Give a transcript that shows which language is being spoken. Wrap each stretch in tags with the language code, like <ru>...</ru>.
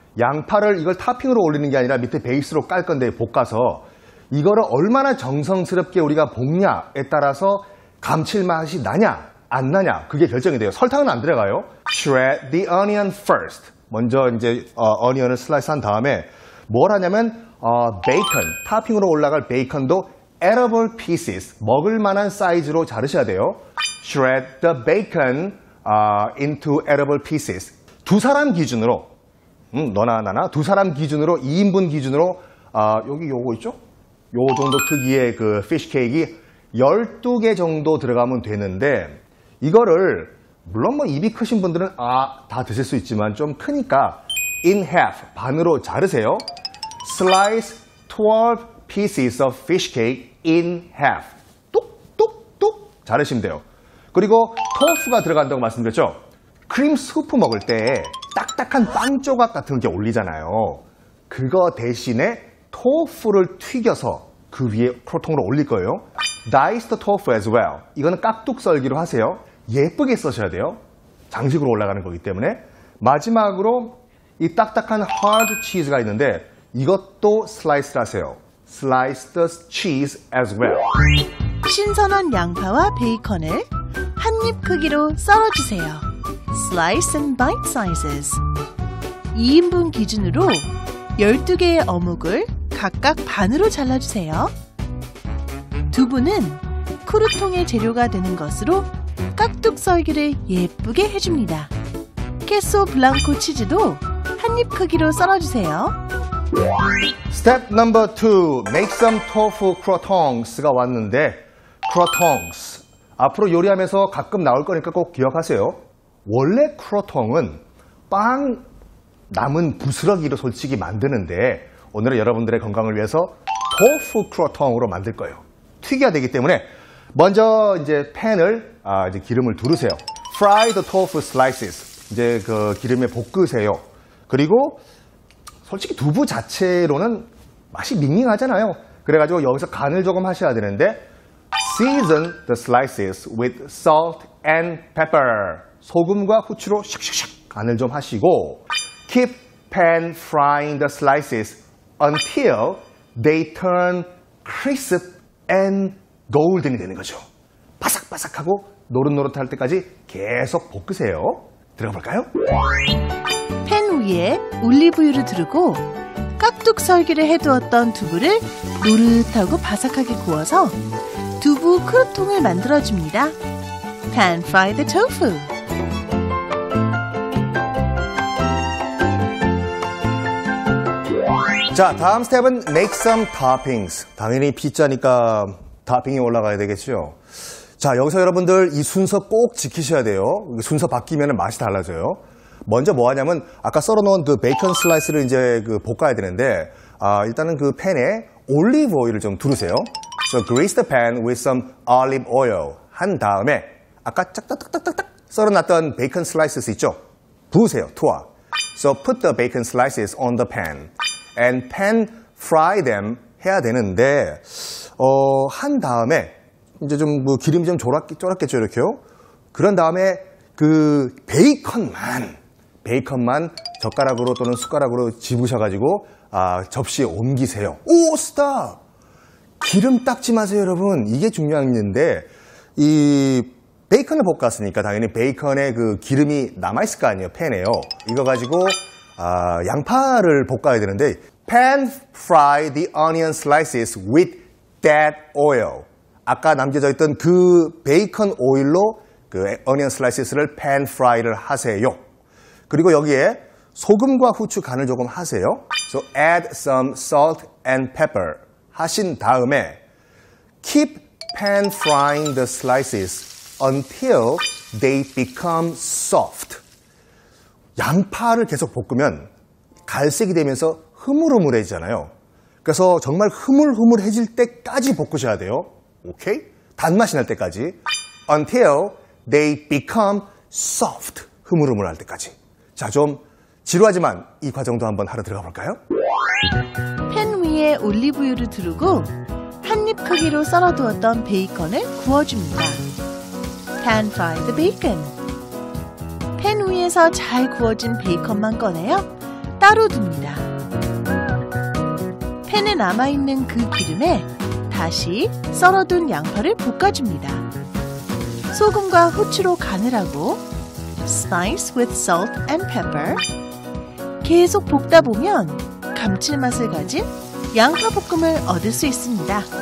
<ko>양파를 이걸 탑핑으로 올리는 게 아니라 밑에 베이스로 깔 건데 볶아서 이거를 얼마나 정성스럽게 우리가 볶냐에 따라서 감칠맛이 나냐 안 나냐 그게 결정이 돼요. 설탕은 안 들어가요.</ko> <en>Shred the onion first.</en> <ko>먼저 이제 onion을 슬라이스 한 다음에 뭘 하냐면 bacon, 탑핑으로 올라갈 bacon도 edible pieces, 먹을만한 사이즈로 자르셔야 돼요.</ko> <en>Shred the bacon into edible pieces.</en> <ko>두 사람 기준으로, 너나 나나 두 사람 기준으로, 2인분 기준으로 여기 요거 있죠? 요 정도 크기의 그 fish cake이 12개 정도 들어가면 되는데 이거를 물론 뭐 입이 크신 분들은 다 드실 수 있지만 좀 크니까 in half, 반으로 자르세요.</ko> <en>Slice 12 pieces of fish cake in half.</en> <ko>뚝뚝뚝 자르시면 돼요. 그리고 토프가 들어간다고 말씀드렸죠? 크림 수프 먹을 때 딱딱한 빵 조각 같은 게 올리잖아요. 그거 대신에 토프를 튀겨서 그 위에 크로통으로 올릴 거예요.</ko> <en>Dice the tofu as well.</en> <ko>이거는 깍둑 썰기로 하세요. 예쁘게 써셔야 돼요. 장식으로 올라가는 거기 때문에. 마지막으로 이 딱딱한 hard cheese가 있는데 이것도 슬라이스 하세요.</ko> <en>Slice the cheese as well.</en> <ko>신선한 양파와 베이컨을 한 입 크기로 썰어주세요.</ko> <en>Slice in bite sizes.</en> <ko>2인분 기준으로 12개의 어묵을 각각 반으로 잘라주세요. 두부는 크루통의 재료가 되는 것으로 깍둑 썰기를 예쁘게 해줍니다. 케소 블랑코 치즈도 한입 크기로 썰어주세요.</ko> <en>Step number two, make some tofu croutons</en> <ko>가 왔는데 croutons, 앞으로 요리하면서 가끔 나올 거니까 꼭 기억하세요. 원래 croutons은 빵 남은 부스러기로 솔직히 만드는데 오늘은 여러분들의 건강을 위해서 tofu croutons으로 만들 거예요. 튀겨야 되기 때문에 먼저 이제 팬을 이제 기름을 두르세요.</ko> <en>Fry the tofu slices.</en> <ko>이제 그 기름에 볶으세요. 그리고 솔직히 두부 자체로는 맛이 밍밍하잖아요. 그래가지고 여기서 간을 조금 하셔야 되는데</ko> <en>season the slices with salt and pepper.</en> <ko>소금과 후추로 샥샥샥 간을 좀 하시고</ko> <en>keep pan frying the slices until they turn crisp and golden이</en> <ko>되는 거죠. 바삭바삭하고 노릇노릇할 때까지 계속 볶으세요. 들어가 볼까요? 팬 위에 올리브유를 두르고 깍둑 썰기를 해두었던 두부를 노릇하고 바삭하게 구워서 두부 크루통을 만들어줍니다.</ko> <en>Pan fry the tofu.</en> <ko>자, 다음 스텝은</ko> <en>make some toppings.</en> <ko>당연히 피자니까 토핑이 올라가야 되겠죠. 자, 여기서 여러분들 이 순서 꼭 지키셔야 돼요. 순서 바뀌면 맛이 달라져요. 먼저 뭐 하냐면 아까 썰어놓은 그 베이컨 슬라이스를 이제 그 볶아야 되는데 일단은 그 팬에 올리브 오일을 좀 두르세요.</ko> <en>So grease the pan with some olive oil.</en> <ko>한 다음에 아까 짝딱딱딱딱 썰어놨던 베이컨 슬라이스 있죠? 부으세요, 투하.</ko> <en>So put the bacon slices on the pan and pan fry them</en> <ko>해야 되는데 한 다음에 이제 좀 뭐 기름이 좀 졸았겠죠, 이렇게요. 그런 다음에 그 베이컨만 젓가락으로 또는 숟가락으로 집으셔가지고 접시에 옮기세요. 오, 스탑! 기름 닦지 마세요, 여러분. 이게 중요한데 이 베이컨을 볶았으니까 당연히 베이컨에 그 기름이 남아있을 거 아니에요, 팬에요. 이거 가지고 양파를 볶아야 되는데</ko> <en>pan fry the onion slices with that oil.</en> <ko>아까 남겨져 있던 그 베이컨 오일로 그 onion slices를 pan fry를 하세요. 그리고 여기에 소금과 후추 간을 조금 하세요.</ko> <en>So add some salt and pepper</en> <ko>하신 다음에</ko> <en>keep pan frying the slices until they become soft.</en> <ko>양파를 계속 볶으면 갈색이 되면서 흐물흐물해지잖아요. 그래서 정말 흐물흐물해질 때까지 볶으셔야 돼요. 오케이? 단맛이 날 때까지.</ko> <en>Until they become soft.</en> <ko>흐물흐물할 때까지. 자, 좀 지루하지만 이 과정도 한번 하러 들어가 볼까요? 팬 위에 올리브유를 두르고 한입 크기로 썰어두었던 베이컨을 구워줍니다.</ko> <en>Pan fry the bacon.</en> <ko>팬 위에서 잘 구워진 베이컨만 꺼내요. 따로 둡니다. 팬에 남아있는 그 기름에 다시 썰어둔 양파를 볶아줍니다. 소금과 후추로 간을 하고</ko> <en>spice with salt and pepper.</en> <ko>계속 볶다 보면 감칠맛을 가진 양파 볶음을 얻을 수 있습니다.</ko>